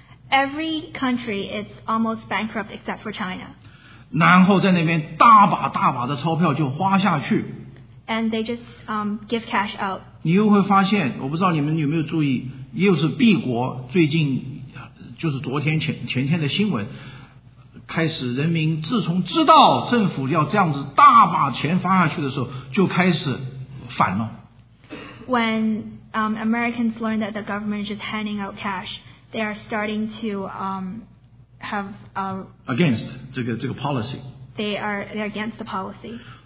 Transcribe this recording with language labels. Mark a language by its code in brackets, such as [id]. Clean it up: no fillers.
[en] Every country is almost bankrupt except for China. [zh] 然后在那边大把大把的钞票就花下去。 [en] And they just give cash out. [zh] 你又会发现，我不知道你们有没有注意，又是 B 国最近，就是昨天前天的新闻，开始人民自从知道政府要这样子大把钱发下去的时候，就开始反了。 [en] When Americans learn that the government is just handing out cash, they are starting to have a against this policy. They're against the policy.